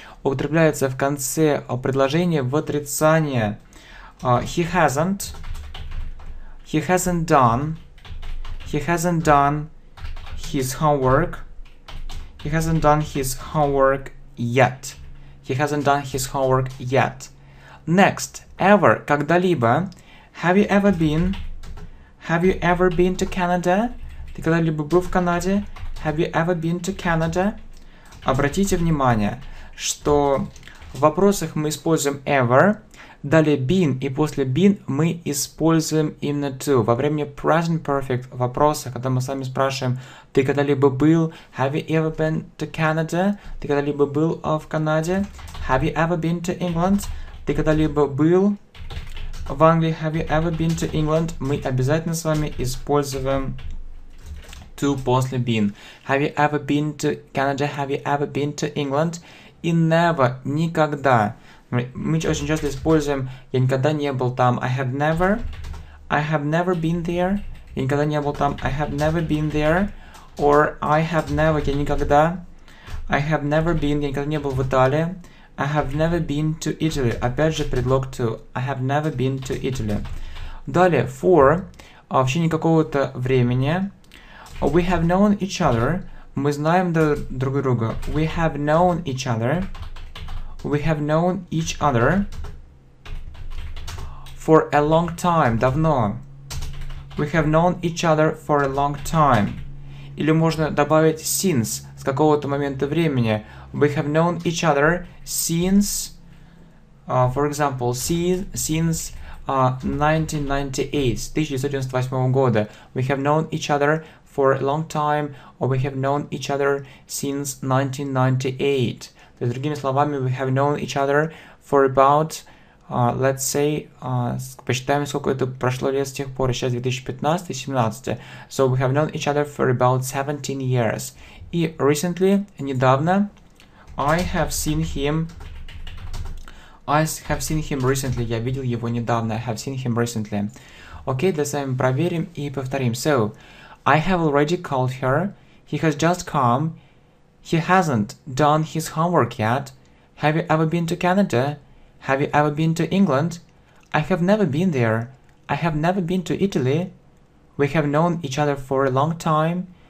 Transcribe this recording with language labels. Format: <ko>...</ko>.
<ru>Употребляется в конце предложения в отрицание.</ru> <en>He hasn't. He hasn't done. He hasn't done his homework. He hasn't done his homework yet. He hasn't done his homework yet. Next. Ever.</en> <ru>Когда-либо.</ru> <en>Have you ever been? Have you ever been to Canada?</en> <ru>Ты когда-либо был в Канаде?</ru> <en>Have you ever been to Canada?</en> <ru>Обратите внимание, что в вопросах мы используем ever, далее been, и после been мы используем именно to. Во времени present perfect вопроса, когда мы с вами спрашиваем, ты когда-либо был?</ru> <en>Have you ever been to Canada?</en> <ru>Ты когда-либо был в Канаде?</ru> <en>Have you ever been to England?</en> <ru>Ты когда-либо был в Англии?</ru> <en>Have you ever been to England?</en> <ru>Мы обязательно с вами используем после been.</ru> <en>Have you ever been to Canada? Have you ever been to England?</en> <ru>И never, никогда. Мы очень часто используем я никогда не был там.</ru> <en>I have never been there.</en> <ru>Я никогда не был там.</ru> <en>I have never been there. Or I have never,</en> <ru>я никогда.</ru> <en>I have never been,</en> <ru>я никогда не был в Италии.</ru> <en>I have never been to Italy.</en> <ru>Опять же предлог to.</ru> <en>I have never been to Italy.</en> <ru>Далее, for. Вообще никакого-то времени.</ru> <en>We have known each other.</en> <ru>Мы знаем друг друга.</ru> <en>We have known each other. We have known each other for a long time.</en> <ru>Давно.</ru> <en>We have known each other for a long time.</en> <ru>Или можно добавить since, с какого-то момента времени.</ru> <en>We have known each other since, for example, since 1998 года. We have known each other for a long time, or we have known each other since 1998.</en> <ru>То есть, другими словами,</ru> <en>we have known each other for about, let's say,</en> <ru>посчитаем, сколько это прошло лет с тех пор, сейчас 2015-17.</ru> <en>So, we have known each other for about 17 years. И recently,</en> <ru>недавно,</ru> <en>I have seen him recently.</en> <ru>Я видел его недавно.</ru> <en>I have seen him recently.</en> <ru>Окей, давайте с вами проверим и повторим.</ru> <en>So, I have already called her. He has just come. He hasn't done his homework yet. Have you ever been to Canada? Have you ever been to England? I have never been there. I have never been to Italy. We have known each other for a long time.</en>